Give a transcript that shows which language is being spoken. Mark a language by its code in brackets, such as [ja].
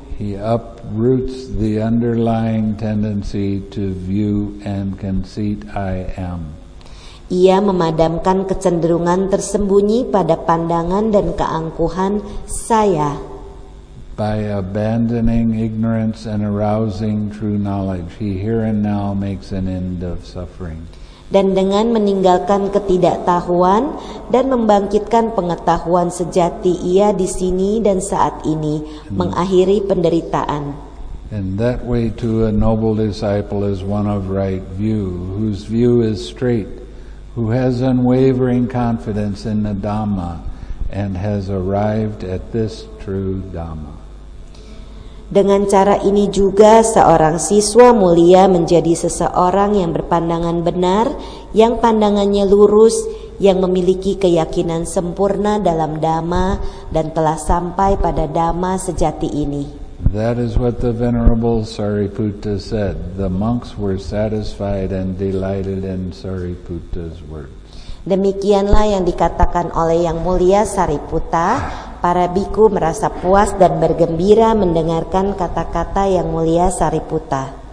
[en] He uproots the underlying tendency to view and conceit I am. [id] Ia memadamkan kecenderungan tersembunyi pada pandangan dan keangkuhan saya. [en] By abandoning ignorance and arousing true knowledge, he here and now makes an end of suffering. [id] Dan dengan meninggalkan ketidaktahuan dan membangkitkan pengetahuan sejati, ia di sini dan saat ini mengakhiri penderitaan. [en] And that way to a noble disciple is one of right view, whose view is straight, who has unwavering confidence in the Dhamma, and has arrived at this true Dhamma. [id] Dengan cara ini juga seorang siswa mulia menjadi seseorang yang berpandangan benar, yang pandangannya lurus, yang memiliki keyakinan sempurna dalam Dhamma, dan telah sampai pada Dhamma sejati ini. [en] That is what the Venerable Sariputta said. The monks were satisfied and delighted in Sariputta's words. [id] Demikianlah yang dikatakan oleh Yang Mulia Sariputta. Para bhikkhu merasa puas dan bergembira mendengarkan kata-kata Yang Mulia Sariputta.